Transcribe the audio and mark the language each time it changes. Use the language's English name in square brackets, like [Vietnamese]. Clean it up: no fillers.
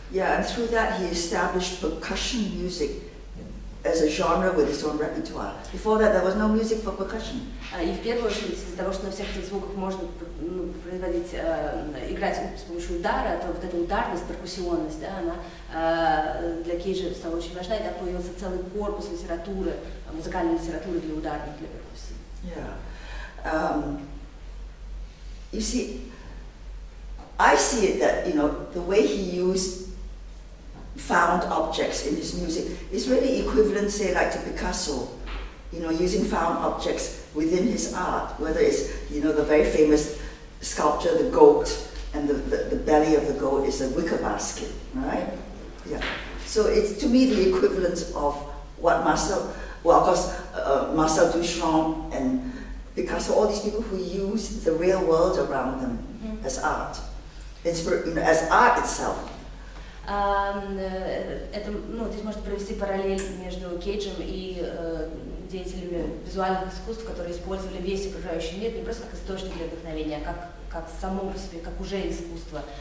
[English] Yeah, and through that he established percussion music as a genre with its own repertoire. Before that, there was no music for percussion. [Russian] И в первую очередь из-за того, что на всех этих звуках можно производить, играть с помощью удара, то вот эта ударность, перкуссионность, да, она для Кейджа стала очень важна, и так появился целый корпус литературы, музыкальной литературы для ударных, для перкуссии. [English] Yeah. You see, I see it that, you know, the way he used found objects in his music is really equivalent, say, like to Picasso, you know, using found objects within his art, whether it's, you know, the very famous sculpture, the goat, and the belly of the goat is a wicker basket, right? Yeah. So it's, to me, the equivalent of what Marcel, well, of course, Marcel Duchamp and Picasso, all these people who use the real world around them mm-hmm. as art, as art itself. [Russian] Это, ну, здесь можно провести параллель между Кейджем и деятелями визуальных искусств, которые использовали весь окружающий мир не просто как источник для вдохновения, а как само по себе, как уже искусство.